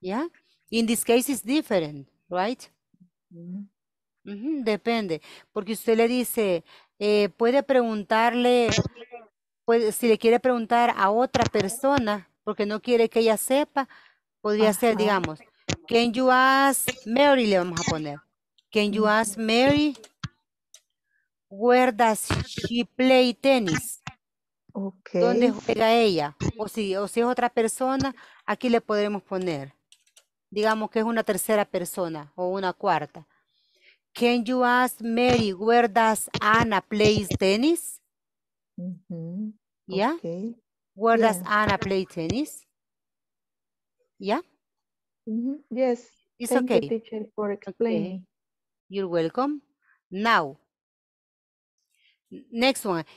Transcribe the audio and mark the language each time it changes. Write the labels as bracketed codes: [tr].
[en] Yeah, in this case is different, right? [es] Depende, porque usted le dice, puede preguntarle, si le quiere preguntar a otra persona, porque no quiere que ella sepa, Podría uh-huh. ser, digamos, [en] can you ask Mary, [es] le vamos a poner. [en] Can you ask Mary where does she play tennis? Okay. [es] ¿Dónde juega ella? O si es otra persona, aquí le podremos poner. Digamos que es una tercera persona o una cuarta. [en] Can you ask Mary where does Anna play tennis? Mm-hmm. Yeah. Okay. Where does Anna play tennis? Yeah. Mm-hmm. Yes. It's Thank okay. you, teacher, for explaining. Okay. You're welcome. Now, next one.